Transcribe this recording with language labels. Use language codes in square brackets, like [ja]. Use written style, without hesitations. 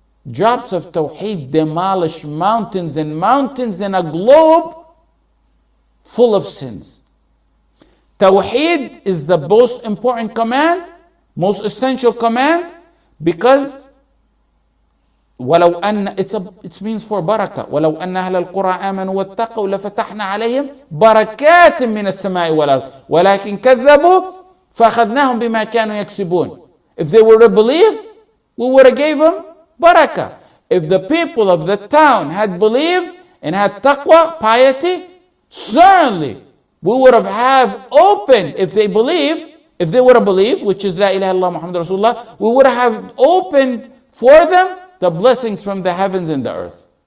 [en] Drops of Tawheed demolish mountains and mountains in a globe full of sins. Tawheed is the most important command, most essential command, because it means for barakah. [ar] وَلَوْ أَنَّ أَهْلَ الْقُرَىٰ آمَنُوا وَاتَّقَوْا لَفَتَحْنَا عَلَيْهِمْ بَرَكَاتٍ مِّنَ السَّمَاءِ وَالْأَرْضِ وَلَكِنْ كَذَّبُوا فَأَخَذْنَاهُمْ بِمَا كَانُوا يَكْسِبُونَ. [en] If they were to believe, we would have gave them barakah. If the people of the town had believed and had taqwa, piety, certainly we would have opened, if they would have believed, which is La ilaha illallah Muhammad Rasulullah, we would have opened for them the blessings from the heavens and the earth.